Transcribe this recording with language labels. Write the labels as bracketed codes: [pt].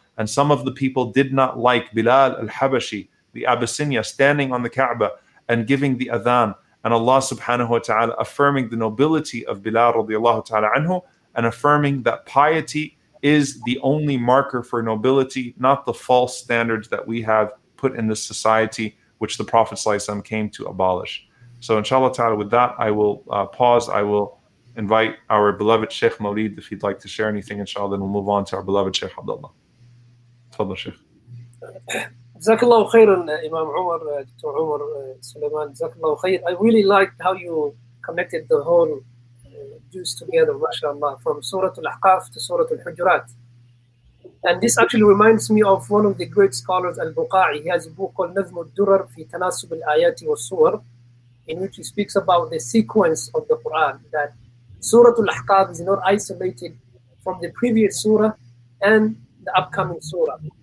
[en] And some of the people did not like Bilal al-Habashi, the Abyssinia, standing on the Kaaba and giving the adhan, and Allah subhanahu wa ta'ala affirming the nobility of Bilal radiallahu ta'ala anhu, and affirming that piety is the only marker for nobility, not the false standards that we have put in this society, which the Prophet sallallahu alaihi wasallam came to abolish. So inshallah ta'ala, with that, I will pause. I will invite our beloved Sheikh Maulid, if he'd like to share anything, inshallah, then we'll move on to our beloved Sheikh Abdullah. [ar] جزاك الله خيرا إمام عمر دكتور عمر سليمان جزاك الله خير. [en] I really liked how you connected the whole juice together, mashallah, from Surah Al-Ahqaf to Surah Al-Hujurat. And this actually reminds me of one of the great scholars, Al-Buqa'i. He has a book called Nazm al-Durar fi Tanasub al-Ayat wa-Sur, in which he speaks about the sequence of the Quran, that Surah Al-Ahqaf is not isolated from the previous surah and the upcoming surah.